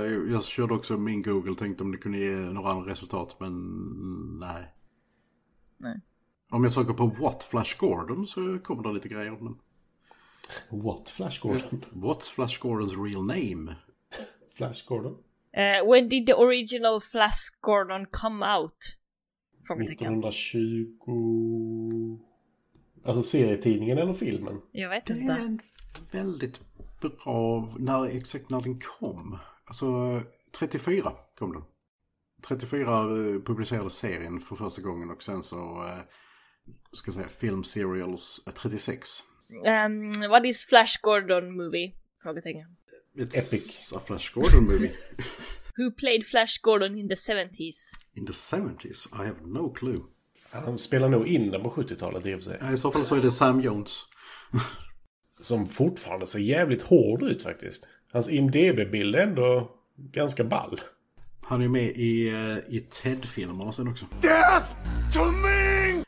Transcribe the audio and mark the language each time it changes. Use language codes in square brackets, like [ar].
[sv] Jag körde också min Google, tänkte om det kunde ge några andra resultat, men nej. Nej. Om jag söker på [en] What Flash Gordon [sv] så kommer det lite grejer om den. [en] What Flash Gordon? What's Flash Gordon's real name? Flash Gordon? When did the original Flash Gordon come out? [sv] 1920... Alltså serietidningen eller filmen? Jag vet inte. Det är en väldigt bra... Exakt när den kom. Alltså, 34 kom den. 34 publicerade serien för första gången och sen så... ska jag säga, film serials 36. [en] What is Flash Gordon movie? [sv] Frågetecken. [en] It's epic. A Flash Gordon movie. Who played Flash Gordon in the 70s? In the 70s? I have no clue. [sv] Han spelar nog in den på 70-talet, det vill säga. I så fall så är det Sam Jones. Som fortfarande ser jävligt hård ut faktiskt. Hans IMDb-bild är ändå ganska ball. Han är med i Ted-filmerna sen också. [en] Death to me!